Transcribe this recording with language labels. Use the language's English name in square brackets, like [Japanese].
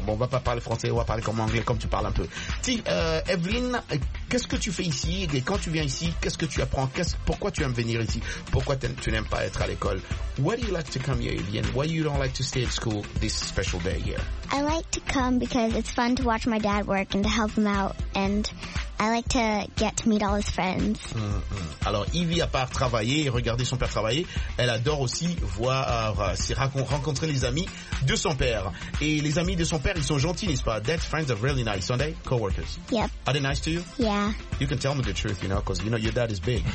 [French] Bon, on va pas parler français, on va parler comme anglais, comme tu parles un peu. Evelyn, qu'est-ce que tu fais ici? Et quand tu viens ici, qu'est-ce que tu apprends? Pourquoi tu aimes venir ici? Pourquoi tu n'aimes pas être à l'école? [English] Why do you like to come here, Evelyn? Why you don't like to stay at school this special day here? I like to come because it's fun to watch my dad work and to help him out. And I like to get to meet all his friends. [French] Alors, Evie, à part travailler et regarder son père travailler, elle adore aussi rencontrer les amis de son père. Et les amis de son père, ils sont gentils, n'est-ce pas? [English] Dad's friends are really nice, aren't they? Co-workers. Yep. Are they nice to you? Yeah. You can tell me the truth, you know, because, you know, your dad is big.